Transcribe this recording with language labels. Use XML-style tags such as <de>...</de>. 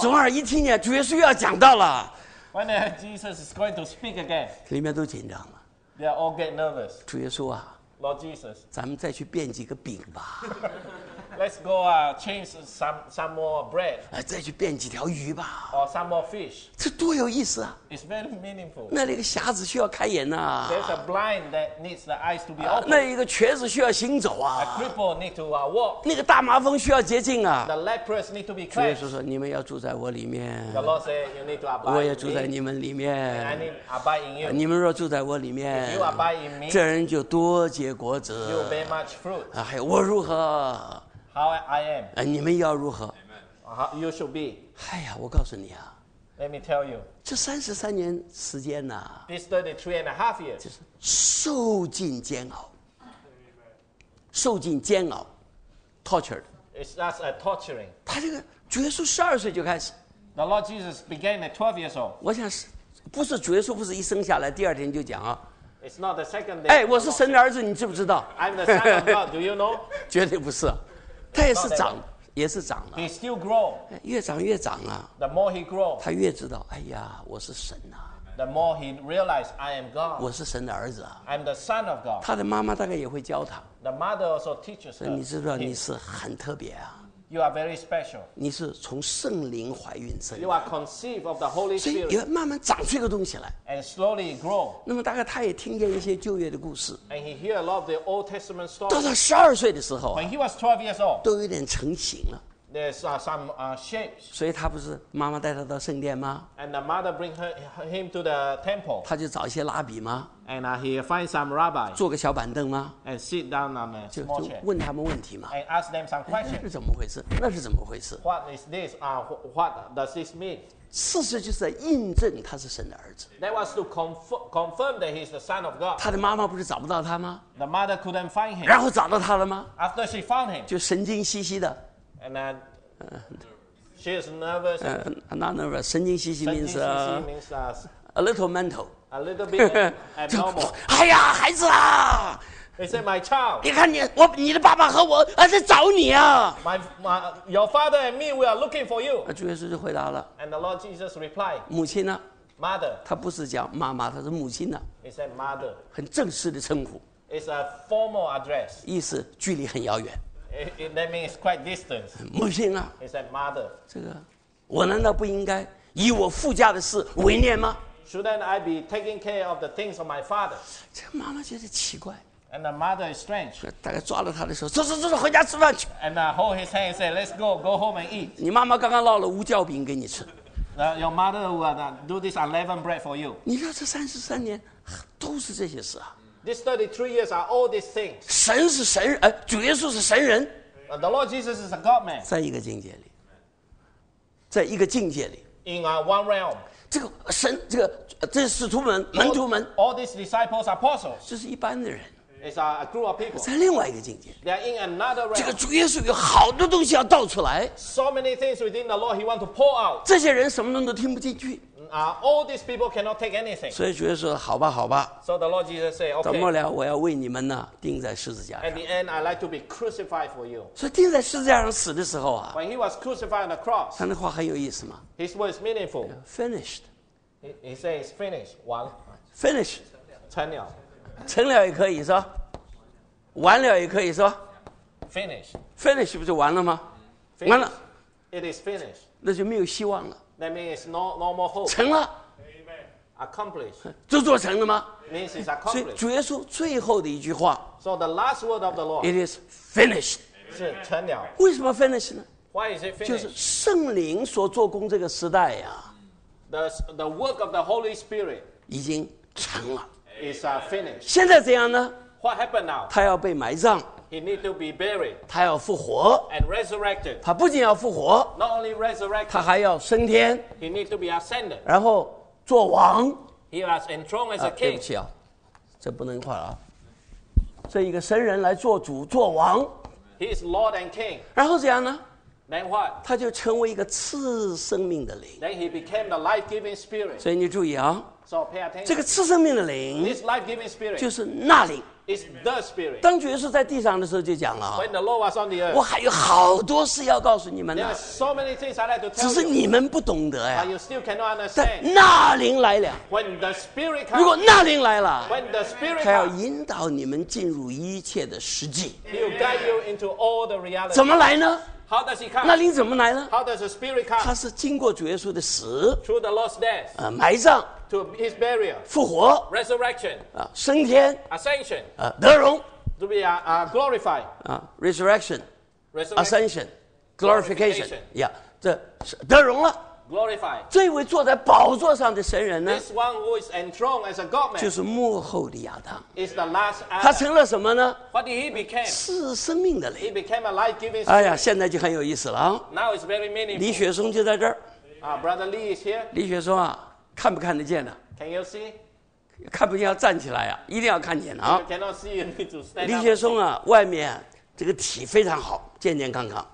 <zh>总而一听见主耶稣要讲到了。</zh> <en>When Jesus is going to speak again.</en> <zh>里面都紧张了。</zh> <en>They all get nervous.</en> <zh>主耶稣啊。</zh> <en>Lord Jesus.</en> <zh>咱们再去变几个饼吧。</zh> <en>Let's go change some more bread.</en> <zh>再去变几条鱼吧。</zh> <en>Or some more fish.</en> <zh>这多有意思啊</zh> <en>！It's very meaningful.</en> <zh>那里一个瞎子需要开眼呐、啊。</zh> <en>There's a blind that needs the eyes to be opened.</en> <zh>那一个瘸子需要行走啊。</zh> <en>A cripple need to walk.</en> <zh>那个大麻风需要洁净啊。</zh> <en>The lepers need to be cleansed.</en> <zh>主耶稣说：“你们要住在我里面。</zh> <en>”The Lord say, "You need to abide in me."</en> <zh>我也住在你们里面。</zh> <en>And I need abide in you.</en> <zh>你们若住在我里面</zh> <en>，You abide in me.</en> <zh>这人就多结果子。</zh> <en>You bear much fruit.</en> <zh>还有我如何？</zh> <en>How I am.</en> <zh>你们要如何</zh> <en>？How you should be.</en> <zh>哎呀，我告诉你啊。</zh> <en>Let me tell you.</en> <zh>这三十三年时间呐、啊。</zh> <en>This 33.5 years.</en> <zh>就是受尽煎熬。受尽煎熬 ，</zh> <en>tortured. It's that's a torturing.</en> <zh>他这个主耶稣十二岁就开始。</zh> <en>The Lord Jesus began at 12 years old.</en> <zh>我想是，不是主耶稣不是一生下来第二天就讲啊。</zh> <en>It's not the second day.</en> <zh>哎，我是神的儿子，你知不知道</zh> <en>？I'm the son of God. Do you know?</en> <zh>绝对不是。他也是长，也是长了。</zh> <en>He still grow.</en> <zh>越长越长啊。</zh> <en>The more he grow.</en> <zh>他越知道，哎呀，我是神呐、啊。</zh> <en>The more he realize I am God.</en> <zh>我是神的儿子啊。</zh> <en>I'm the son of God.</en> <zh>他的妈妈大概也会教他。</zh> <en>The mother also teaches him.</en> <zh>你知不知道你是很特别啊</zh> <en>？You are very special.</en> <zh>你是从圣灵怀孕生。</zh> <en>You are conceived of the Holy Spirit.</en> <zh>所以也慢慢长出一个东西来。</zh> <en>And slowly grow.</en> <zh>那么大概他也听见一些旧约的故事。</zh> <en>And he hear a lot of the Old Testament stories.</en> <zh>到他十二岁的时候、啊、</zh> <en>，When he was 12 years old,</en> <zh>都有点成型了。</zh> <en>There's some shapes.</en> <zh>所以他不是妈妈带他到圣殿吗</zh> <en>？And the mother bring him to the temple.</en> <zh>他就找一些拉比吗</zh> <en>？And he find some rabbi.</en> <zh>坐个小板凳吗</zh> <en>？And sit down on a small chair.</en> <zh>就问他们问题嘛</zh> <en>？And ask them some questions.</en> <zh>那是怎么回事？那是怎么回事</zh> <en>？What is this? What does this mean?</en> <zh>事实就是在印证他是神的儿子。</zh> <en>That was to confirm that he's the son of God.</en> <zh>他的妈妈不是找不到他吗</zh> <en>？The mother couldn't find him.</en> <zh>然后找到他了吗</zh> <en>？After she found him.</en> <zh>就神经兮兮的。</zh> <en>And then, she is nervous. Not nervous. 神经兮兮 means, a little mental. A little bit abnormal.</en> <zh>哎呀，孩子啊！</zh> <en>He said, "My child."</en> <zh>你看你，我，你的爸爸和我，在找你啊。</zh> <en>Your father and me, we are looking for you.</en> <zh>主耶稣就回答了。</zh> <en>And the Lord Jesus replied,</en> <zh>母亲呢</zh> <en>？Mother.</en> <zh>他不是叫妈妈，他是母亲呢。</zh> <en>He said, "Mother."</en> <zh>很正式的称呼。</zh> <en>It's a formal address.</en> <zh>意思距离很遥远。</zh> <en>That means quite distance.</en> <zh>母亲啊</zh> <en>，He said, "Mother."</en> <zh>这个，我难道不应该以我父家的事为念吗</zh> <en>？Shouldn't I be taking care of the things of my father?</en> <zh>这个妈妈觉得奇怪。</zh> <en>And the mother is strange.</en> <zh>大概抓了他的时候，走，回家吃饭去。</zh> <en>And hold his hand and say, "Let's go home and eat."</en> <zh>你妈妈刚刚烙了无酵饼给你吃。</zh> <en>Your mother will do this unleavened bread for you.</en> <zh>你知道这33年都是这些事啊。</zh> <en>These 33 years are all these things.</en> <zh>神是神，主耶稣是神人。</zh> <en>The Lord Jesus is a God man.</en> <zh>在一个境界里，在一个境界里。</zh> <en>In one realm.</en> <zh>这个神，这个这是使徒们、门徒们。</zh> <en>All these disciples are apostles.</en> <zh>这是一般的人。</zh> <en>It's a group of people.</en> <zh>在另外一个境界。</zh> <en>They are in another realm.</en> <zh>这个主耶稣有好多东西要倒出来。</zh> <en>So many things within the Lord he wants to pour out.</en> <zh>这些人什么人都听不进去。</zh> <en>All these people cannot take anything.</en> <zh>所以主耶稣说：“好吧，好吧。”</zh> <en>So the Lord Jesus said, "Okay."</en> <zh>怎么了？我要为你们呢，钉在十字架上。</zh> <en>At the end, I like to be crucified for you.</en> <zh>所以钉在十字架上死的时候啊</zh> <en>，When he was crucified on the cross,</en> <zh>他那话很有意思吗</zh> <en>？His words meaningful. Finished. He says, "Finished."</en> <zh>完了。</zh> <en>Finished.</en> <zh>成了。成了也可以说，完了也可以说。</zh> <en>Finished.</en> <zh>Finished 不就完了吗？</zh> <en>Finished.</en> <zh>完了。</zh> <en>It is finished.</en> <zh>那就没有希望了。</zh> <en>That means it's no more hope.</en> <zh>成了</zh> <en>，Amen. Accomplished.</en> <zh>就做成了吗</zh> <en>？Means it's accomplished.</en> <zh>所以主耶稣最后的一句话</zh> <en>，So the last word of the Lord. It is finished.</en> <zh>是成了。为什么 finish 呢</zh> <en>？Why is it finished?</en> <zh>就是圣灵所做工这个时代呀。</zh> <en>The work of the Holy Spirit</en> <zh>已经成了。</zh> <en>Is finished.</en> <zh>现在怎样呢</zh> <en>？What happened now?</en> <zh>他要被埋葬。</zh> <en>He need to be buried.</en> <zh>他要复活。</zh> <en>And resurrected.</en> <zh>他不仅要复活。</zh> <en>Not only resurrected.</en> <zh>他还要升天。</zh> <en>He need to be ascended.</en> <zh>然后做王。</zh> <en>He was enthroned as a king.</en> <zh>对不起啊，这不能快啊。这一个神人来做主做王。</zh> <en>He is Lord and King.</en> <zh>然后怎样呢</zh> <en>？Then what?</en> <zh>他就成为一个赐生命的灵。</zh> <en>Then he became the life-giving spirit.</en> <zh>所以你注意啊。</zh> <en>So pay attention.</en> <zh>这个赐生命的灵。</zh> <en>This life-giving spirit.</en> <zh>就是那灵。</zh> <en>Is the spirit.</en> <zh>当主耶稣在地上的时候就讲了</zh> <en>When the Lord was on the earth,</en> <zh>我还有好多事要告诉你们呢</zh> <en>There are so many things I'd like to tell you,</en> <zh>只是你们不懂得呀</zh> <en>But you still cannot understand.</en> <zh>但那灵来了</zh> <en>When the spirit comes,</en> <zh>如果那灵来了</zh> <en>When the spirit comes,</en> <zh>他要引导你们进入一切的实际</zh> <en>He'll guide you into all the reality.</en> <zh>怎么来呢</zh> <en>How does he come?</en> <zh>那灵怎么来呢</zh> <en>How does the spirit come?</en> <zh>他是经过主耶稣的死</zh> <en>Through the Lord's death,</en> <zh>埋葬</zh> <en>To his burial,</en> <zh>复活</zh> <en>，resurrection</en> <zh>啊，升天</zh> <en>，ascension</en> <zh>啊，得荣</zh> <en>，to be glorified 啊 ，resurrection，ascension glorification</en> <zh>呀、yeah, ，这得荣了</zh> <en>，glorified</en> <zh>这位坐在宝座上的神人呢</zh> <en>？This one who is enthroned as a God man</en> <zh>就是幕后的亚当</zh> <en>，is the last Adam</en> <zh>他成了什么呢</zh> <en>？What did he become？</en> <zh>是生命的灵</zh> <en>，he became a life-giving。</en> <zh>哎呀，现在就很有意思了啊</zh> <en>！Now it's very meaningful。</en> <zh>李雪松就在这儿</zh> <en>啊 ，Brother Lee is here。</en> <zh>李雪松啊。看不看得见呢</zh> <en>？Can you see？</en> <zh>看不见要站起来啊，一定要看见啊</zh> <en>！You cannot see, you need to stand up.</en> <zh>李学松啊，外面这个体非常好，健健康康。</zh>